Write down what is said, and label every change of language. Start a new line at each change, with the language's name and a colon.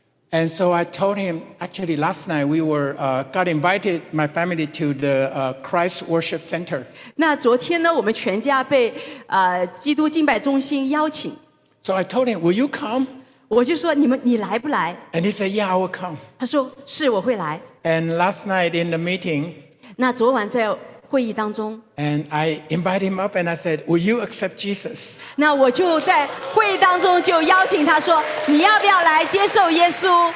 English: And so I told him, actually last night we were got invited my family to the Christ Worship Center.
Chinese: 那昨天呢我们全家被基督敬拜中心邀请。
English: So I told him, will you come?
Chinese: 我就说你来不来?
English: And he said, yeah, I will come.
Chinese: 他说,是,我会来。
English: And last night in the meeting,
Chinese: 那昨晚在会议当中,
English: and I invited him up and I said, will you accept Jesus?
Chinese: 那我就在会议当中就邀请他说,你要不要来接受耶稣?